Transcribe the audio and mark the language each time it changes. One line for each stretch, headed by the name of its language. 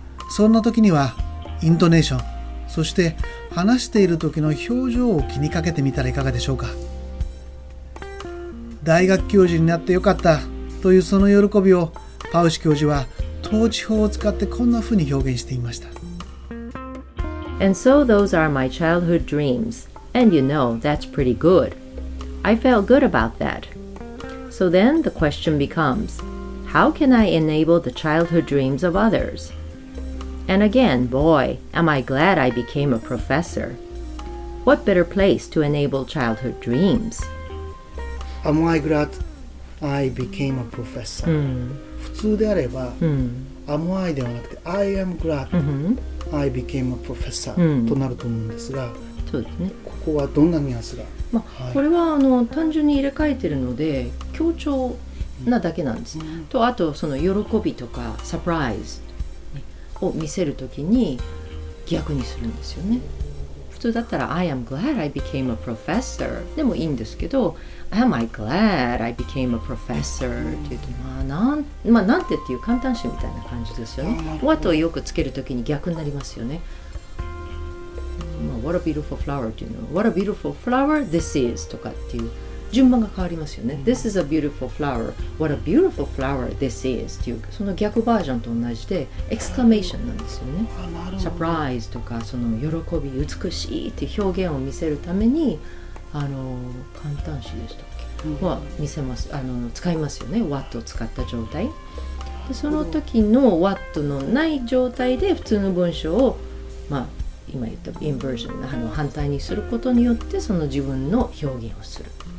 Japanese: そんな時にはイントネーション、そして話している時の表情を気にかけてみたらいかがでしょうか。大学教授になってよかったというその喜びを、パウシュ教授は統治法を使ってこんなふうに表現していました。
English: And so those are my childhood dreams. And you know, that's pretty good. I felt good about that. So then the question becomes, how can I enable the childhood dreams of others? And again, boy, am I glad I became a professor. What better place to enable childhood dreams? Am I glad I became a professor?、 Mm.
Japanese: 普通であれば、
English: am I
Japanese: ではなくて、
English: I am glad、I became a professor、
Japanese: となると思うんですが、そうですね、ここはどんなニュアンスが、まあはい、これはあの単純に入れ替えているので、強調なだけなんです。とあと、その喜びとか、サプライズ。を見せるときに逆にするんですよね。普通だったら
English: I am glad I became a professor
Japanese: でもいいんですけど、
English: Am I glad I became a professor
Japanese: って言うと、なんてっていう簡単詞みたいな感じですよね。 What をよくつけるときに逆になりますよね。
English: What a beautiful flower
Japanese: っていうのは、
English: What a beautiful flower this is
Japanese: とかっていう順番が変わりますよね。
English: This is a beautiful flower. What a beautiful flower this is.
Japanese: というその逆バージョンと同じで exclamation なんですよね。 Surprise とかその喜び、美しいって表現を見せるために、あの簡単詞でしたっけ、は見せます、あの使いますよね。 What を使った状態で、その時の What のない状態で普通の文章を、まあ今言った inversion、 あの反対にすることによって、その自分の表現をする。